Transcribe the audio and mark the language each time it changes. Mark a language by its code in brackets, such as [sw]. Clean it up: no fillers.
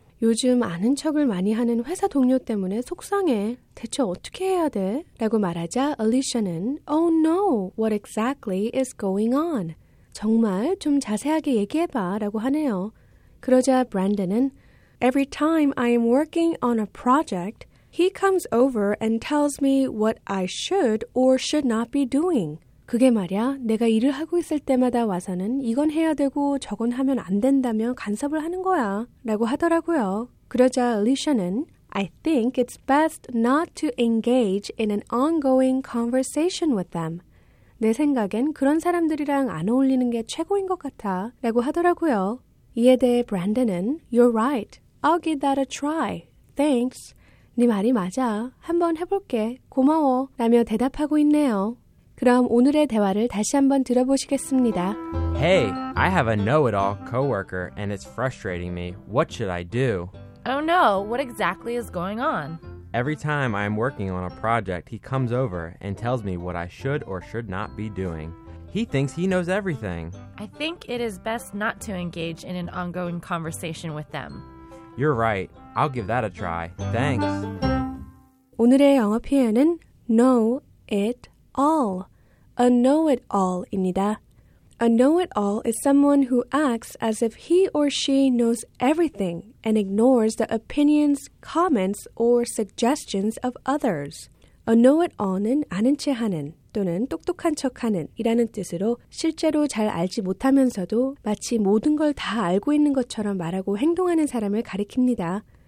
[ko] 요즘 아는 척을 많이 하는 회사 동료 때문에 속상해. 대체 어떻게 해야 돼? 라고 말하자 Alicia는 [en] Oh no, what exactly is going on? [ko] 정말 좀 자세하게 얘기해봐 라고 하네요. 그러자 [en] Brandon은 Every time I am working on a project, he comes over and tells me what I should or should not be doing. [ko] 그게 말이야, 내가 일을 하고 있을 때마다 와서는 이건 해야 되고 저건 하면 안 된다며 간섭을 하는 거야 라고 하더라고요. 그러자 [en] Alicia는 I think it's best not to engage in an ongoing conversation with them. [ko] 내 생각엔 그런 사람들이랑 안 어울리는 게 최고인 것 같아 라고 하더라고요. [en] 이에 대해 Brandon은 You're right. I'll give that a try. Thanks. [ko] 네 말이 맞아. 한번 해볼게. 고마워 라며 대답하고 있네요. 그럼 오늘의 대화를 다시 한번 들어보시겠습니다. [en] Hey, I have a know-it-all coworker and it's frustrating me. What should I do? Oh no, what exactly is going on? Every time I'm working on a project, he comes over and tells me what I should or should not be doing. He thinks he knows everything. I think it is best not to engage in an ongoing conversation with them. You're right. I'll give that a try. Thanks. [ko] 오늘의 영어 표현은 know it all, a know-it-all입니다. [en] A know-it-all is someone who acts as if he or she knows everything and ignores the opinions, comments, or suggestions of others. [ko] A know-it-all은 아는 체 하는 또는 똑똑한 척 하는 이라는 뜻으로 실제로 잘 알지 못하면서도 마치 모든 걸 다 알고 있는 것처럼 말하고 행동하는 사람을 가리킵니다.